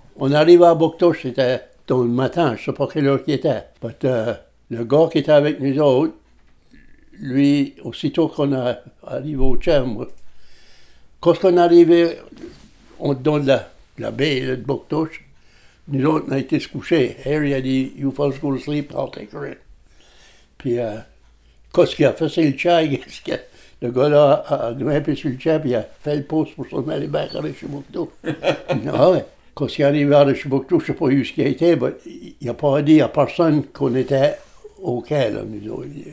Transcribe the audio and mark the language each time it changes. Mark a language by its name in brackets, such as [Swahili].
[French] On arrive à Bouctouche, c'était dans le matin, je ne sais pas quelle heure qu'il était. But le gars qui était avec nous autres, lui, aussitôt qu'on a arrivé au Tchèm, quand on est arrivé en dedans de la baie là, de Bouctouche, nous autres, on a été se coucher. [English] Harry [French] a dit, [English] you folks go to sleep, I'll take her in. [French] Puis, qu'est-ce qu'il a fait, c'est le chat, qu'est-ce que le gars-là a grimpé sur le chat, puis il a fait le poste pour s'en aller back à Richibucto. Ah ouais. Quand il est arrivé à Richibucto, je ne sais pas où ce qu'il a été, mais il n'a pas dit à personne qu'on était OK, là, nous autres.